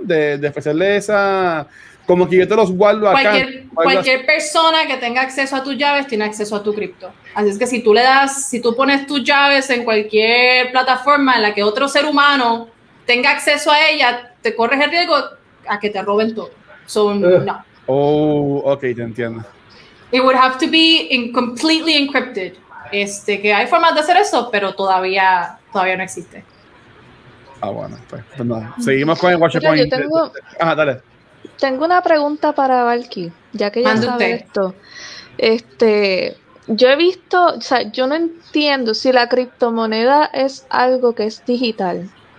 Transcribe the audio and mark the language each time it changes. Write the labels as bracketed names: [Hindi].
[Spanish] De ofrecerle esa... Como que yo te los guardo acá. Cualquier persona que tenga acceso a tus llaves tiene acceso a tu cripto. Así es que si tú pones tus llaves en cualquier plataforma en la que otro ser humano tenga acceso a ella, te corres el riesgo a que te roben todo. [English] So, no. [Spanish] Oh, ok, te entiendo. [English] It would have to be completely encrypted. [Spanish] Que hay formas de hacer eso, pero todavía no existe. Ah, bueno, pues no. Seguimos con el Watcho Coin. Dale. Tengo una pregunta para Valky, ya que ya sabe esto. Yo he visto, o sea, yo no entiendo si la criptomoneda es algo que es digital.